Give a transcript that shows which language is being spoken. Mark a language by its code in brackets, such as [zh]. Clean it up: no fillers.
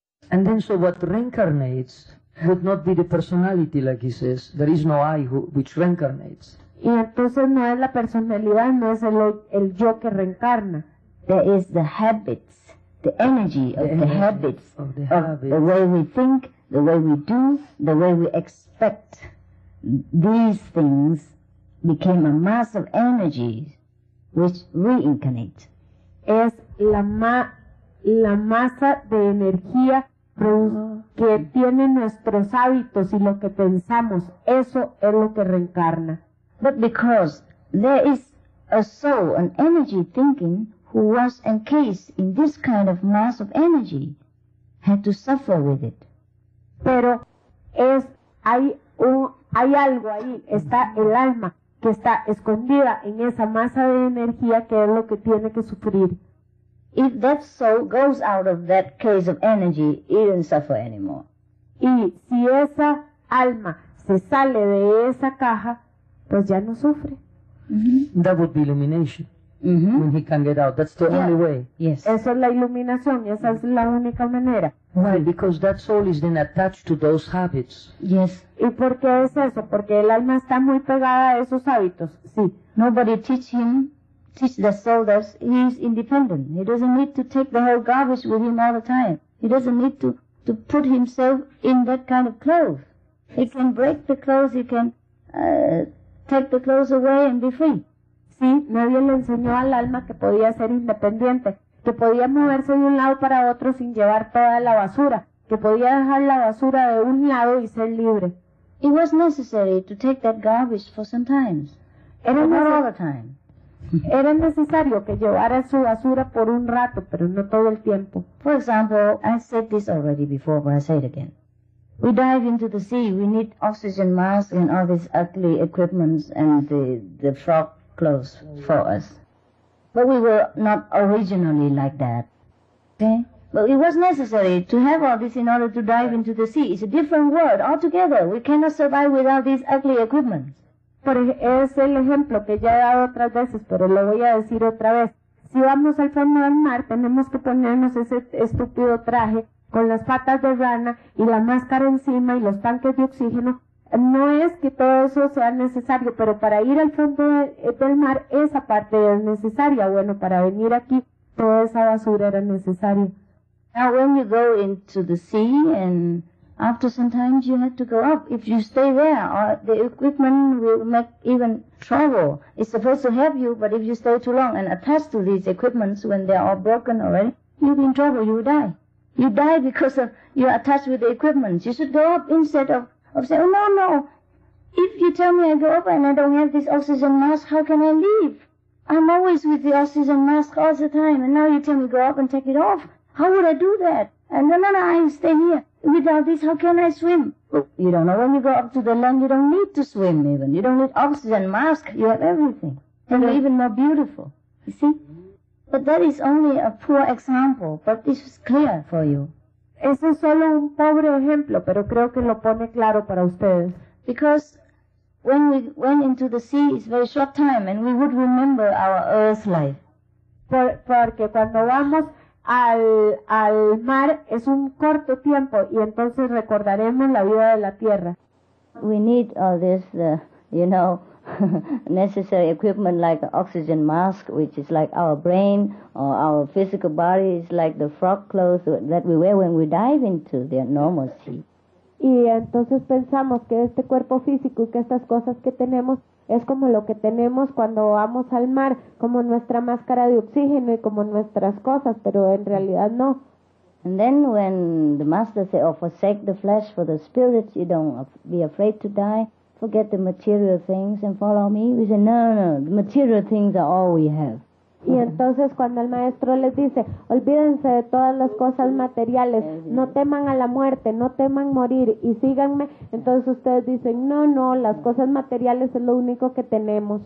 [en] And then so what reincarnates would not be the personality, like he says, there is no I which reincarnates. [es] Y entonces no es la personalidad, no es el yo que reencarna. [en] There is the habits, the energy of the habits, of the habits, the way we think, the way we do, the way we expect. These things became a mass of energy which reincarnate. [es] Es la masa de energía que tiene nuestros hábitos y lo que pensamos, eso es lo que reencarna. [en] But because there is a soul, an energy thinking, who was encased in this kind of mass of energy, had to suffer with it. [es] Pero es hay algo ahí, está el alma que está escondida en esa masa de energía que es lo que tiene que sufrir. [en] If that soul goes out of that case of energy, it doesn't suffer anymore. [es] Y si esa alma se sale de esa caja, pues ya no sufre. Mm-hmm. [en] That would be illumination. Mm-hmm. When he can get out, that's the only way. Yes. [es] Esa es la iluminación, esa es la única manera. [en] Why? Because that soul is then attached to those habits. Yes. [es] ¿Y por qué es eso? Porque el alma está muy pegada a esos hábitos. Sí. [en] Nobody teach him. Teach the soul that he is independent. He doesn't need to take the whole garbage with him all the time. He doesn't need to put himself in that kind of clothes. He can break the clothes, he can take the clothes away and be free. [es] Sí, nadie le enseñó al alma que podía ser independiente, que podía moverse de un lado para otro sin llevar toda la basura, que podía dejar la basura de un lado y ser libre. [en] It was necessary to take that garbage for some times. Not all the time. [es] Era necesario que llevara su basura por un rato, pero no todo el tiempo. [en] For example, I said this already before, but I say it again. We dive into the sea, we need oxygen masks and all these ugly equipments and the frog clothes for us. But we were not originally like that. Okay? But it was necessary to have all this in order to dive into the sea. It's a different world altogether. We cannot survive without these ugly equipments. [es] Es el ejemplo que ya he dado otras veces, pero lo voy a decir otra vez. Si vamos al fondo del mar, tenemos que ponernos ese estúpido traje con las patas de rana y la máscara encima y los tanques de oxígeno. No es que todo eso sea necesario, pero para ir al fondo del mar, esa parte es necesaria. Bueno, para venir aquí, toda esa basura era necesaria. [en] Now when you go into the sea and after some time you have to go up. If you stay there, the equipment will make even trouble. It's supposed to help you, but if you stay too long and attach to these equipments when they are all broken already, you'll be in trouble, you'll die. You die because you're attached with the equipment. You should go up instead of saying, oh, no, If you tell me I go up and I don't have this oxygen mask, how can I leave? I'm always with the oxygen mask all the time, and now you tell me go up and take it off. How would I do that? And then I stay here. Without this, how can I swim? Well, you don't know, when you go up to the land, you don't need to swim even. You don't need oxygen mask. You have everything. And you're even more beautiful. You see? But that is only a poor example, but this is clear for you. [es] Ese es solo un pobre ejemplo, pero creo que lo pone claro para ustedes. [en] Because when we went into the sea, it's a very short time, and we would remember our earth life. [es] Porque cuando vamos al mar, es un corto tiempo, y entonces recordaremos la vida de la tierra. [en] We need all this, necessary equipment like the oxygen mask, which is like our brain, or our physical body is like the frog clothes that we wear when we dive into the normal sea. [es] Y entonces pensamos que este cuerpo físico y que estas cosas que tenemos es como lo que tenemos cuando vamos al mar, como nuestra máscara de oxígeno y como nuestras cosas, pero en realidad no. [en] And then when the master says, oh, forsake the flesh for the spirit, you don't be afraid to die, forget the material things and follow me. We say, no, the material things are all we have. [es] Y entonces cuando el maestro les dice, olvídense de todas las cosas materiales, no teman a la muerte, no teman morir y síganme, entonces ustedes dicen, no, las cosas materiales es lo único que tenemos.